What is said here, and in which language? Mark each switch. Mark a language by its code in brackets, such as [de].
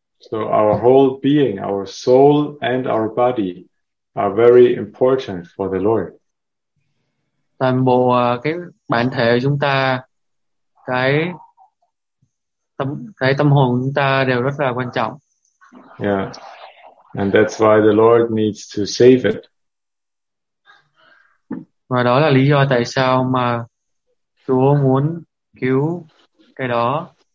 [en] So our whole being, our soul and our body are very important for the Lord. [vi] Toàn bộ cái bản thể của chúng ta, cái tâm hồn của chúng ta đều rất là quan trọng. [en] And that's why the Lord needs [vi] Và đó là lý do tại sao mà Chúa muốn cứu cái đó.